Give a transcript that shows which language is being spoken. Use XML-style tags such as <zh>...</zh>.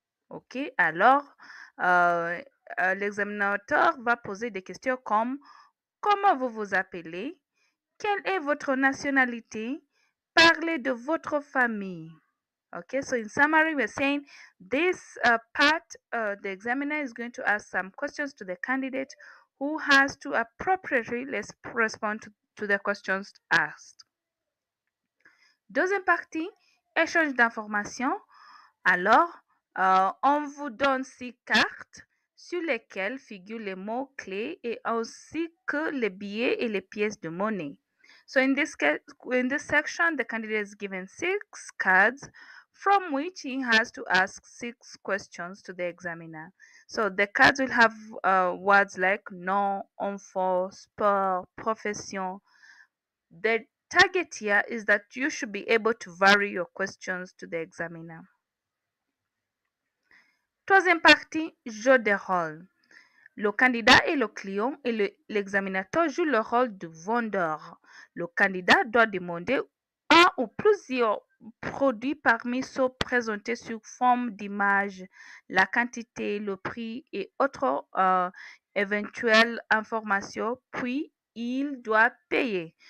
<fr>OK, alors, l'examinateur va poser des questions comme comment vous vous appelez? Quelle est votre nationalité? Parlez de votre famille.</fr> <en>Okay, so in summary, we're saying this part, the examiner is going to ask some questions to the candidate who has to appropriately respond to the questions asked.</en> <fr>Deuxième partie, échange d'informations. Alors, on vous donne six cartes sur lesquelles figurent les mots-clés et ainsi que les billets et les pièces de monnaie.</fr> <en>So in this section, the candidate is given six cards from which he has to ask six questions to the examiner. So the cards will have words like</en> <fr>nom, enfant, sport, profession.</fr> <en>The target here is that you should be able to vary your questions to the examiner.</en> <fr>Troisième partie, jeu de rôle. Le candidat est le client et l'examinateur joue le rôle de vendeur. Le candidat doit demander un ou plusieurs produits parmi ceux présentés sous forme d'image, la quantité, le prix et autres éventuelles informations, puis il doit payer.</fr>